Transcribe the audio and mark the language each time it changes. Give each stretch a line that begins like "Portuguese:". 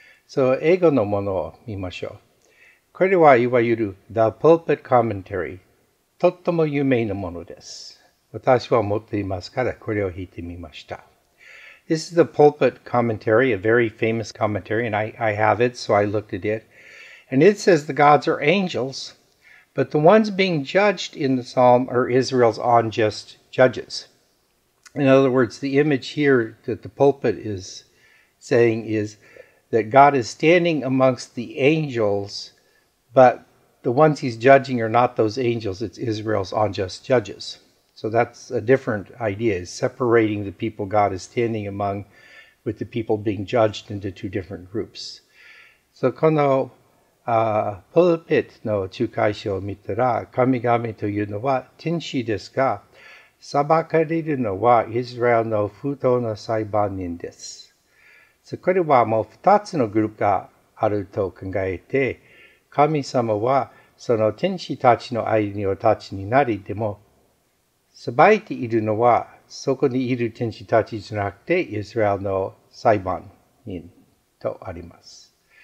Japanese: So 英語のものを見ましょう。これはいわゆる The Pulpit Commentary。とっても有名なものです。私は持っていますからこれを引いてみました。
English: This is the Pulpit Commentary, a very famous commentary, and I have it, so I looked at it. And it says the gods are angels, but the ones being judged in the psalm are Israel's unjust judges. In other words, the image here that the pulpit is saying is that God is standing amongst the angels, but the ones he's judging are not those angels, it's Israel's unjust judges. So that's a different idea, is separating the people God is standing among with the people being judged into two different groups.
Japanese: So この pulpit の仲介者を見たら、神々というのは天使ですが、裁かれるのはイスラエルの不当な裁判人です。そこではもう二つのグループがあると考えて、神様はその天使たちの間にお立ちになり、でも裁いているのはそこにいる天使たちじゃなくてイスラエルの裁判人とあります。